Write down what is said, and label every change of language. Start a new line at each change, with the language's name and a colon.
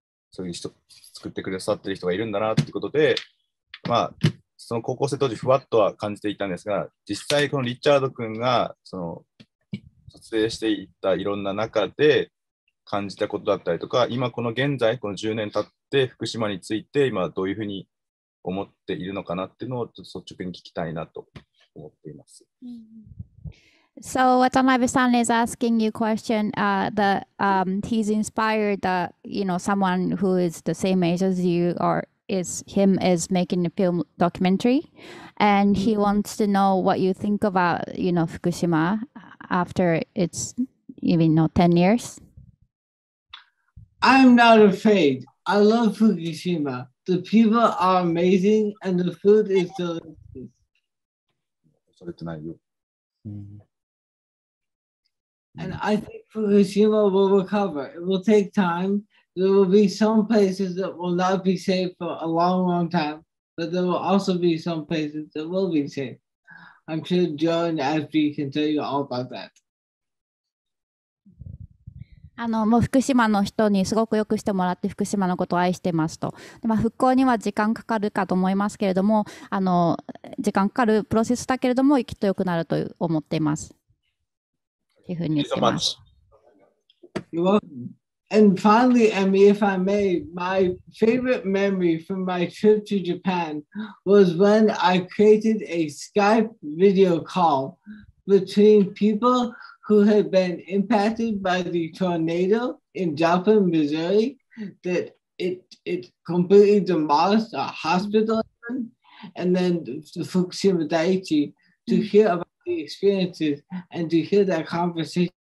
Japanese: そういう人、作ってくださってる人がいるんだなってことで、まあ、その高校生当時、ふわっとは感じていたんですが、実際、このリチャード君がその撮影していったいろんな中で、感じたことだったりとか、今この現在この10年経って福島について今どういうふうに思っているのかなっていうのをちょっと率直に聞きたいなと思っています。
English: So Watanabe-san is asking you question. He's inspired that you know someone who is the same age as you or is him is making a film documentary, and he wants to know what you think about you know Fukushima after it's even you know 10 years. I'm not afraid. I love Fukushima. The people are amazing and the food is delicious.
Japanese: それってないよ。
English: And I think Fukushima will recover. It will take time. There will be some places that will not be safe for a long, long time, but there will also be some places that will be safe. I'm sure Joe and Ashby can tell you all about that.
Japanese: あのもう福島の人にすごくよくしてもらって福島のことを愛してますと、まあ、復興には時間かかるかと思いますけれどもあの時間かかるプロセスだけれどもきっと良くなると思っていますというふうに言ってます。
English: You're welcome. And finally, Emmy, if I may, my favorite memory from my trip to Japan was when I created a Skype video call between peopleWho had been impacted by the tornado in Joplin, Missouri, that it completely demolished a hospital, and then the Fukushima Daiichi to hear about the experiences and to hear that conversation.